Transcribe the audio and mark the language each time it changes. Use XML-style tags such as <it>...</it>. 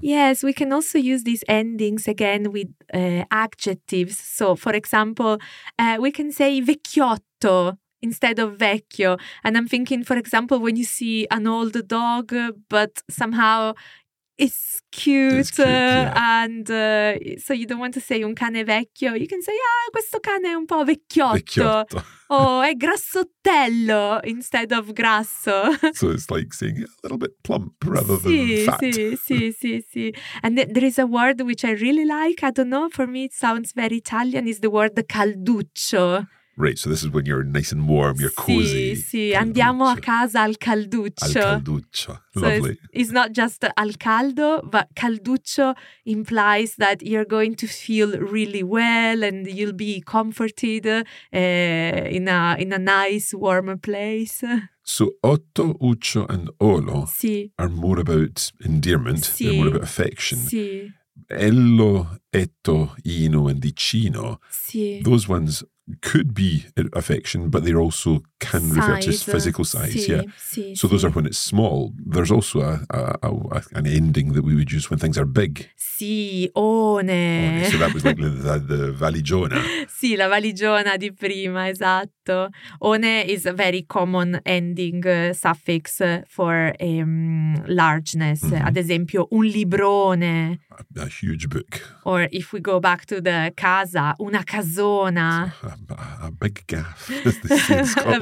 <en>Yes, we can also use these endings again with adjectives. So, for example, we can say vecchiotto. Instead of vecchio. And I'm thinking, for example, when you see an old dog, but somehow it's cute. It's cute, yeah. And so you don't want to say</en> <it>un cane vecchio.</it> <en>You can say,</en> <it>ah, questo cane è un po' vecchiotto. Oh, è grassottello</it> <en>instead of</en> <it>grasso.</it> <en>So it's like saying a little bit plump rather</en> <it>sì,</it> <en>than fat.</en> <it>Sì.</it> <en>And there is a word which I really like. I don't know. For me, it sounds very Italian. Is the word calduccio. Right, so this is when you're nice and warm, you're cozy.</en> <it>Sì, andiamo a casa al calduccio. Al calduccio,</it> <en>so lovely. It's not just al caldo, but calduccio implies that you're going to feel really well and you'll be comforted in a nice, warm place. So otto, uccio and olo are more about endearment, they're more about affection.</en> <it>Sì.</it> <en>Ello, etto, ino and icino, those ones could be affection, but they also can size. Refer to physical size.</en> <it>Sí,</it> <en>yeah.</en> <it>Sí,</it> <en>so those are when it's small. There's also an ending that we would use when things are big.</en> <it>Sì, one.</it> <en>So that was like the valigiona.</en> <it>Sì, la valigiona di prima, esatto.</it> <en>One is a very common ending suffix for largeness.</en> <it>Mm-hmm. Ad esempio, un librone.</it> <en>A huge book. Or if we go back to the casa, una casona. A big gaff, as they say in Scotland.</en>